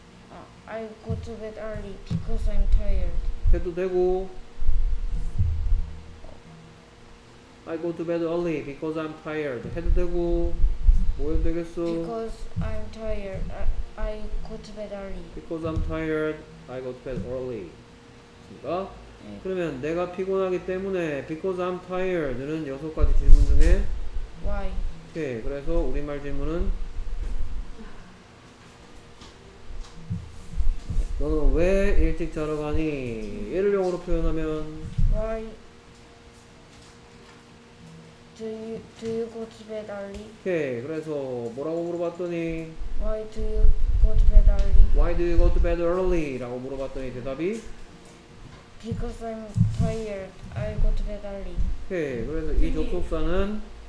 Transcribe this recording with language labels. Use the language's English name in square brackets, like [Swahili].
[English] 아, I go to bed early because I'm tired. [Korean] 해도 되고. [English] I go to bed early because I'm tired. [Korean] 해도 되고 뭐해도 되겠어? [English] Because I'm tired. I go to bed early. Because I'm tired. I go to bed early. [Korean] 됐습니다. 네. 그러면 내가 피곤하기 때문에 [English] because I'm tired [Korean] 는 여섯 가지 질문 중에 [English] why? [Korean] 오케이. 그래서 우리말 질문은 너는 왜 일찍 자러 가니? 예를 영어로 표현하면 [English] Why do you go to bed early? [Korean] 오케이, 그래서 뭐라고 물어봤더니 [English] Why do you go to bed early? Why do you go to bed early? [Korean] 라고 물어봤더니 대답이 [English] Because I'm tired, I go to bed early. [Korean] 오케이, 그래서 이 접속사는